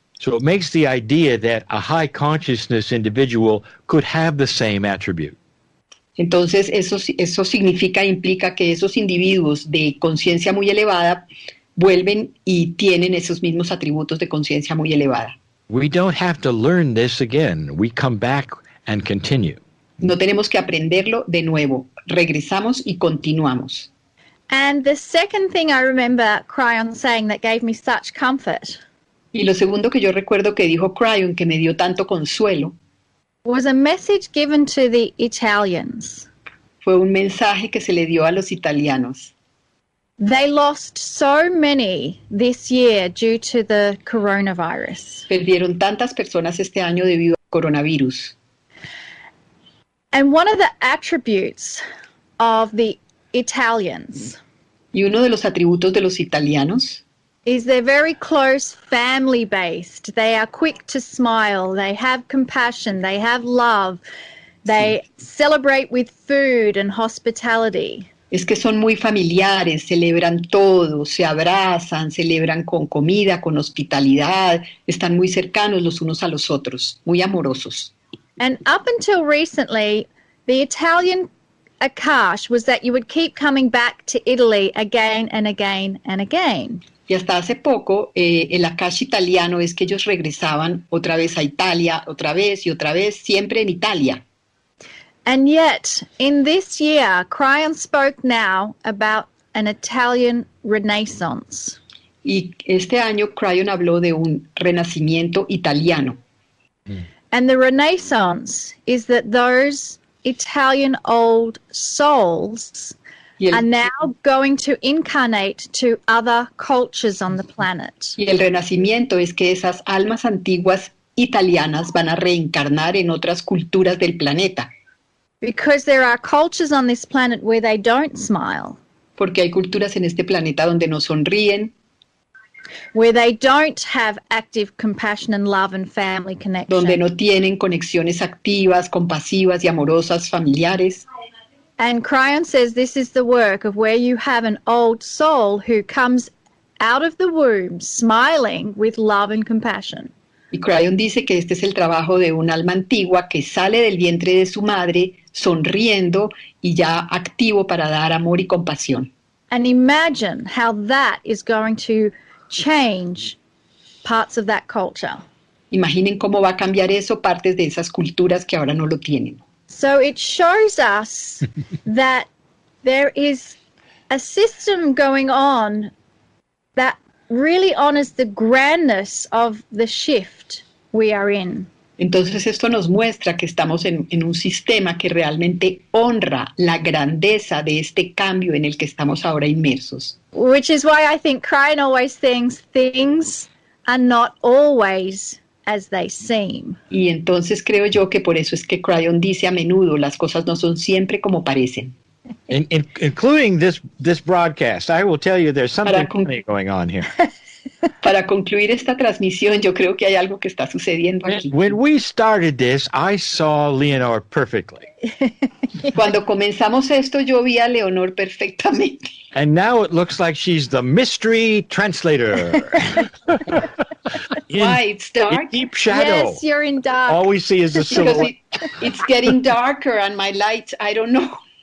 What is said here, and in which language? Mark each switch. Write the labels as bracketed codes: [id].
[en] So it makes the idea that a high consciousness individual could have the same attribute. [es] Entonces eso significa e implica que esos individuos de conciencia muy elevada vuelven y tienen esos mismos atributos de conciencia muy elevada. [en] We don't have to learn this again. We come back and continue. [es] No tenemos que aprenderlo de nuevo. Regresamos y continuamos. [en] And the second thing I remember Kryon saying that gave me such comfort. [es] Y lo segundo que yo recuerdo que dijo Kryon que me dio tanto consuelo. [en] Was a message given to the Italians. [es] Fue un mensaje que se le dio a los italianos. [en] They lost so many this year due to the coronavirus. [es] Perdieron tantas personas este año debido al coronavirus. [en] And one of the attributes of the Italians. [es] Y uno de los atributos de los italianos. [en] Is they're very close family based. They are quick to smile. They have compassion. They have love. They celebrate with food and hospitality. [es] Es que son muy familiares, celebran todo, se abrazan, celebran con comida, con hospitalidad, están muy cercanos los unos a los otros, muy amorosos. [en] And up until recently, the Italian Akash was that you would keep coming back to Italy again and again and again. [es] Y hasta hace poco, el Akash italiano es que ellos regresaban otra vez a Italia, otra vez y otra vez, siempre en Italia. [en] And yet, in this year, Kryon spoke now about an Italian Renaissance. [es] Y este año, Kryon habló de un renacimiento italiano. [en] And the Renaissance is that those Italian old souls are now going to incarnate to other cultures on the planet. [es] Y el renacimiento es que esas almas antiguas italianas van a reencarnar en otras culturas del planeta. [en] Because there are cultures on this planet where they don't smile. [es] Porque hay culturas en este planeta donde no sonríen. [en] Where they don't have active compassion and love and family connection. [es] Donde no tienen conexiones activas, compasivas y amorosas familiares. [en] And Kryon says this is the work of where you have an old soul who comes out of the womb smiling with love and compassion. [es] Y Kryon dice que este es el trabajo de un alma antigua que sale del vientre de su madre sonriendo y ya activo para dar amor y compasión. [en] And imagine how that is going to change parts of that culture. [es] Imaginen cómo va a cambiar eso partes de esas culturas que ahora no lo tienen. [en] So it shows us that there is a system going on that really honors the grandness of the shift we are in. [es] Entonces esto nos muestra que estamos en un sistema que realmente honra la grandeza de este cambio en el que estamos ahora inmersos. [en] Which is why I think Kryon always thinks things are not always as they seem. [es] Y entonces creo yo que por eso es que Kryon dice a menudo las cosas no son siempre como parecen. [en] Including this broadcast, I will tell you there's something funny going on here. [es] Para concluir esta transmisión, yo creo que hay algo que está sucediendo aquí. [en] When we started this, I saw Leonor perfectly. [es] Cuando comenzamos esto, yo vi a Leonor perfectamente. [en] And now it looks like she's the mystery translator. Why, it's dark? In deep shadow. Yes, you're in dark. All we see is the silhouette. It's getting darker and my light, I don't know.